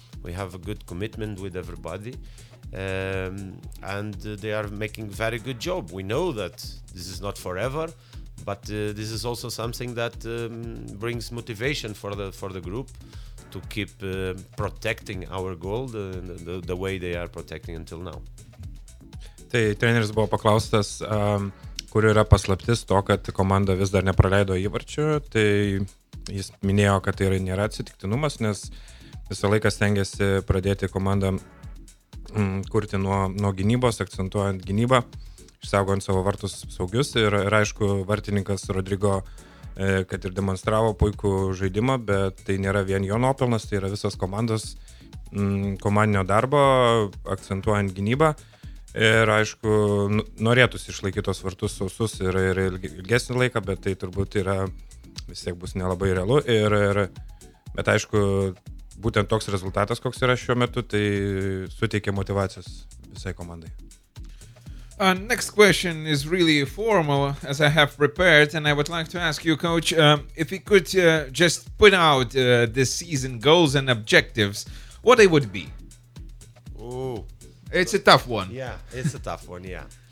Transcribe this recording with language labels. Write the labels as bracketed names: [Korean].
[English] We have a good commitment with everybody, and they are making very good job. We know that this is not forever, but this is also something that brings motivation for the group to keep protecting our goal the way they are protecting until now. [Lithuanian] Tai treneris buvo paklaustas, kur yra paslaptis to, kad komanda vis dar nepraleido įvarčių, tai jis minėjo, kad tai nėra atsitiktinumas, nes visą laiką stengiasi pradėti komandą kurti nuo gynybos, akcentuojant gynybą. išsaugant savo vartus saugius. Ir aišku, vartininkas Rodrigo, kad ir demonstravo puikų žaidimą, bet tai nėra vien jo nuopelnas, tai yra visos komandos komandinio darbo, akcentuojant gynybą. Ir aišku, norėtųsi išlaikyti tos vartus sausus ir ilgesnį laiką, bet tai turbūt yra vis tiek bus nelabai realu. Bet aišku, būtent toks rezultatas, koks yra šiuo metu, tai suteikia motivacijos visai komandai. [English] Next question is really formal, as I have prepared, and I would like to ask you, coach, if you could just put out this season goals and objectives, what they would be? Ooh. It's a tough one. Yeah, it's a tough one, yeah.